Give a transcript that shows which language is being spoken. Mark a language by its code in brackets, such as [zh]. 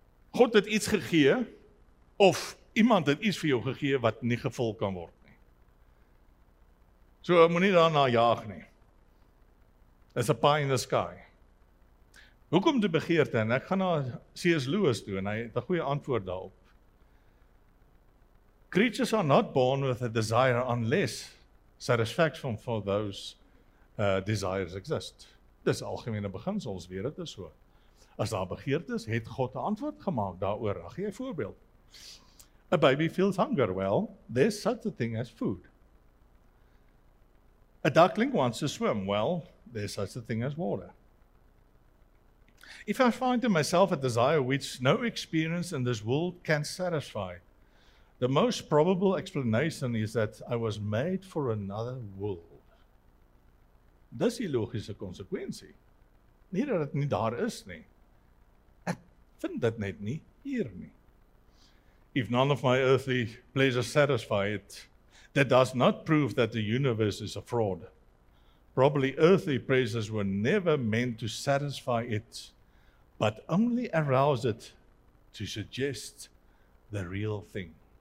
[af] God het iets gegee, of iemand het iets vir jou gegee wat nie gevul kan word nie. So moenie daarna jaag nie. [en] It's a pie in the sky. [af] Hoekom die begeerte? En ek gaan na C.S. Lewis toe en hy het 'n goeie antwoord daarop. [en] Creatures are not born with a desire unless satisfaction for those desires exist. [af] Dis algemene beginsels, weet dit is so. As daar begeertes, het God 'n antwoord gemaak daaroor. Gee jy 'n voorbeeld. [en] A baby feels hunger. Well, there's such a thing as food. A duckling wants to swim. Well, there's such a thing as water. If I find in myself a desire which no experience in this world can satisfy, the most probable explanation is that I was made for another world. [af] Dis 'n logiese konsekwensie. Nie dat dit nie daar is nie. Ek vind dit net nie hier nie. [en] If none of my earthly pleasures satisfy it, that does not prove that the universe is a fraud. Probably earthly pleasures were never meant to satisfy it, but only arouse it to suggest the real thing.